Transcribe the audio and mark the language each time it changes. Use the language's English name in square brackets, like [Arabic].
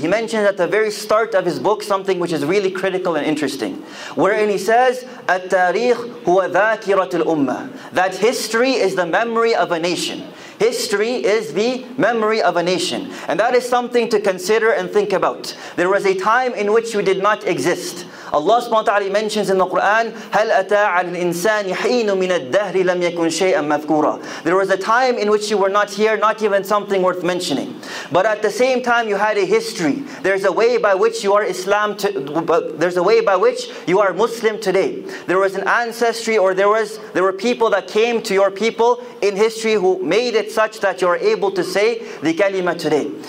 [English] He mentions at the very start of his book something which is really critical and interesting, wherein he says, [Arabic] At-Tariq huwa dhakirat al-Ummah, [English] that history is the memory of a nation. History is the memory of a nation. And that is something to consider and think about. There was a time in which you did not exist. Allah subhanahu wa ta'ala mentions in the Quran, [Arabic] هَلْ أَتَى عَلَى الْإِنسَانِ حِينُ مِنَ الدَّهْرِ لَمْ يَكُنْ شَيْئًا مَذْكُورًا. [English] There was a time in which you were not here, not even something worth mentioning. But at the same time, you had a history. There's a way by which you are Islam, there's a way by which you are Muslim today. There was an ancestry, or there were people that came to your people in history who made it such that you are able to say the kalima today.